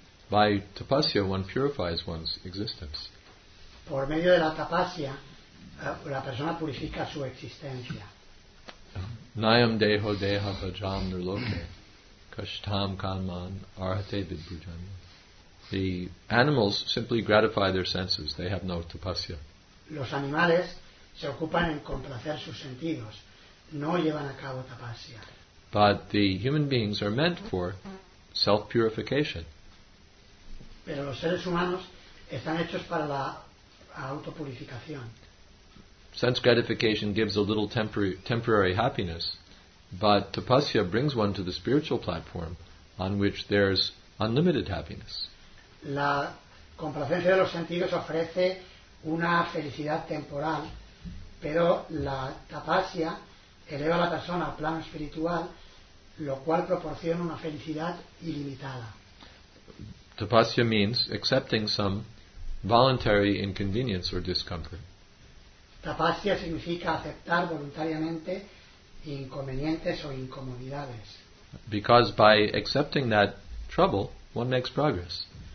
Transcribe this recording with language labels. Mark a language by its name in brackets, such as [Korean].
[English] By tapasya one purifies one's existence. [Spanish] Por medio de la tapasya la persona purifica su existencia. [Sanskrit] Nayam deho deha bhajam nirloke kashtam kanman arhate vidbhujanya. [English] The animals simply gratify their senses. They have no tapasya. [Spanish] Los animales se ocupan en complacer sus sentidos. No llevan a cabo tapasya. [English] But the human beings are meant for self-purification. [Spanish] Pero los seres humanos están hechos para la autopurificación. [English] Sense gratification gives a little temporary happiness, but tapasya brings one to the spiritual platform on which there's unlimited happiness. [Spanish] La complacencia de los sentidos ofrece una felicidad temporal, pero la tapasya eleva a la persona al plano espiritual, lo cual proporciona una felicidad ilimitada. [English] Tapasya means accepting some voluntary inconvenience or discomfort. [Spanish] Tapasya significa aceptar voluntariamente inconvenientes o incomodidades. [English] Because by accepting that trouble, one makes progress.